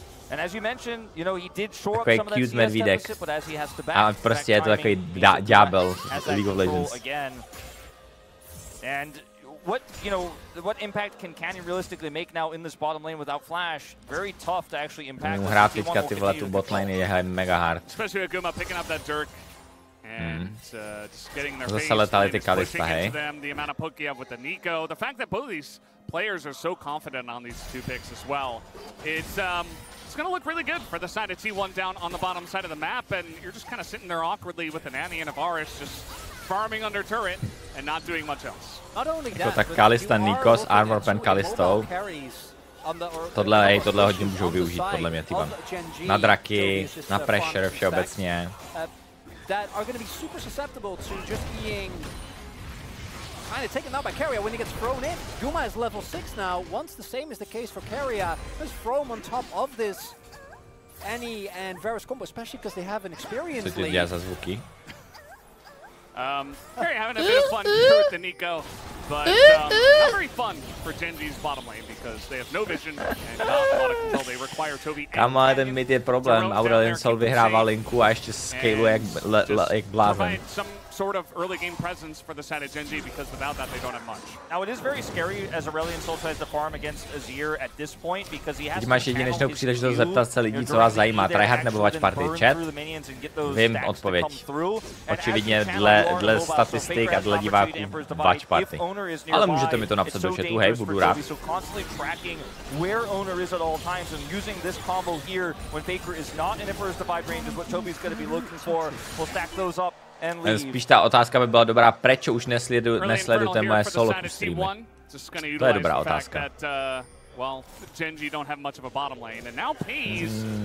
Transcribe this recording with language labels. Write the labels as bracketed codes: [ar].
[en] And as you mentioned, you know, he did shore up some of that CS medvídek. Deficit, but as he has to back. [cs] A prostě je to takový ďábel League of Legends. [en] Again. And what, you know, what impact can Canyon realistically make now in this bottom lane without Flash? Very tough to actually impact. [cs] No, hra teďka ty vole tu bot lane je mega hard. [en] Especially with Guma picking up that Dirk. And just getting their face to them, the amount of poke you have with the Nico, the fact that both these players are so confident on these two picks as well, it's gonna look really good for the side of T1 down on the bottom side of the map, and you're just kind of sitting there awkwardly with an Annie and a Varus just farming under turret and not doing much else. Not only that, but Kalista, Nikos, Armor Pen, Kalisto. [cs] Tohle hodně můžou využít podle mě T1. Na draky, na pressure všeobecně. [en] That are going to be super susceptible to just being kind of taken out by Kerya when he gets thrown in. Guma is level 6 now. Once the same is the case for Kerya, just throw him on top of this Annie and Varus combo, especially because they have an experience lead. Yeah, that's okay. Kerya having a bit of fun here with the Nico, but not very fun for Genji's bottom lane because they have no vision and not a lot of control. They require Tobi. Come on, the mid is problem. [cs] Aurelion Sol vyhrává linku a ještě scaluje jak blázen. [en] Some sort of early game presence for the side of Genji because without that they don't have much. Now it is very scary as Aurelion Sol tries to farm against Azir at this point because he has to. [cs] Máš jedinečnou příležitost zeptat se lidí, co vás zajímá, tryhard nebo watch party chat? Vím odpověď. Očividně dle statistik a dle diváků watch party. Ale můžete mi to napsat do chatu, hej, budu rád. [en] So constantly tracking where owner is at all times and using this combo here when Faker is not in Emperor's Divide range is what Toby's going to be looking for. We'll stack those up and leave. [cs] Spíš ta otázka by byla dobrá, proč už nesledujete moje solo streamy. To je dobrá otázka. [en] Well, Genji don't have much of a bottom lane, and now Paze.